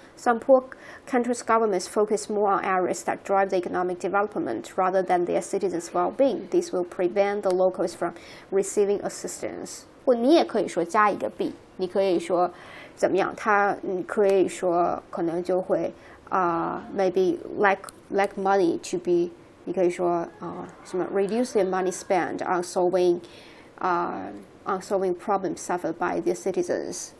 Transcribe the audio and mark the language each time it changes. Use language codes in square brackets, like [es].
[en] Some poor countries' governments focus more on areas that drive the economic development rather than their citizens' well-being. This will prevent the locals from receiving assistance. [zh] 或你也可以说加一个 B， 你可以说怎么样？他你可以说可能就会 [en] maybe lack money to be， [zh] 你可以说什么 [en] reduce their money spent on solving problems suffered by their citizens。